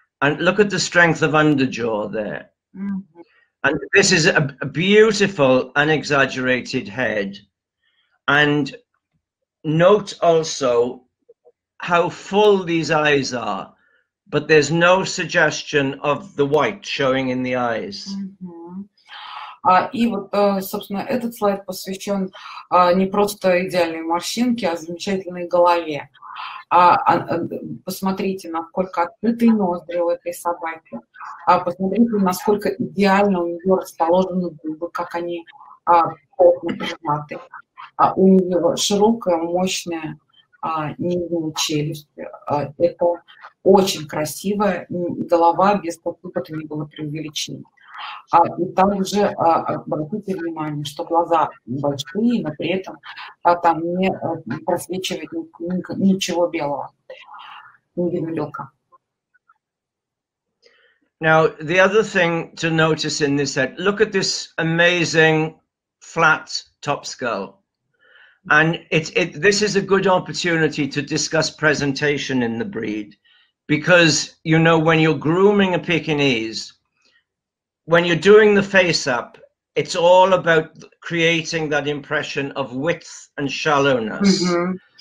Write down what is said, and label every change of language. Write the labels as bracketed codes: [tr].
[en] And look at the strength of underjaw there. Mm-hmm. And this is a beautiful unexaggerated head. And note also how full these eyes are, but there's no suggestion of the white showing in the eyes. Mm-hmm. [ru] И вот, собственно, этот слайд посвящен не просто идеальной морщинке, а замечательной голове. Посмотрите, насколько открытые ноздри у этой собаки. Посмотрите, насколько идеально у нее расположены губы, как они плотно прижаты. У нее широкая, мощная нижняя челюсть. Это очень красивая голова, без какого-то ни было преувеличения. И также обратите внимание, что глаза большие, но при этом там не просвечивает ничего белого, не белка. [en] Now, the other thing to notice in this head, look at this amazing flat top skull. And this is a good opportunity to discuss presentation in the breed, because, you know, when you're grooming a Pekinese, when you're doing the face up, it's all about creating that impression of width and shallowness. Mm-hmm.